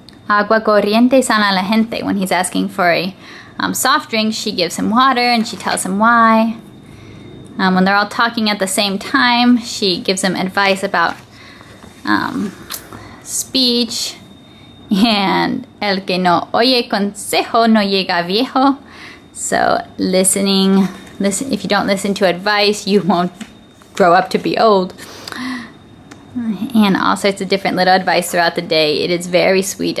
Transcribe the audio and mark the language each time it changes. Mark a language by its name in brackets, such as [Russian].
[Spanish] Agua corriente sana la gente. [English] When he's asking for a soft drink, she gives him water and she tells him why. When they're all talking at the same time, she gives him advice about speech. [Spanish] And el que no oye consejo no llega viejo. [English] So listen, if you don't listen to advice, you won't grow up to be old. And all sorts of different little advice throughout the day. It is very sweet.